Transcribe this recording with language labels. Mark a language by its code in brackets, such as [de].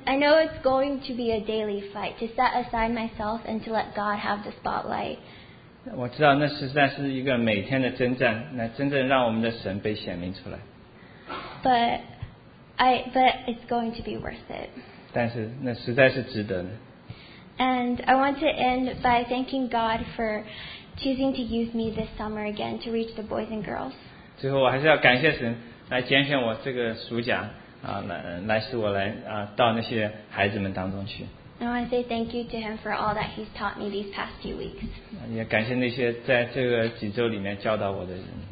[en] I know it's going to be a daily fight to set aside myself and to let God have the spotlight. [zh] 我知道那实在是一个每天的征战，那真正让我们的神被显明出来。 [en] But But it's going to be worth it. [zh] 但是那实在是值得呢。 [en] And I want to end by thanking God for choosing to use me this summer again to reach the boys and girls. [zh] 最后我还是要感谢神来拣选我这个暑假，来使我来到那些孩子们当中去。 [en] I want to say thank you to him for all that he's taught me these past few weeks. [zh] 也感谢那些在这个几周里面教导我的人。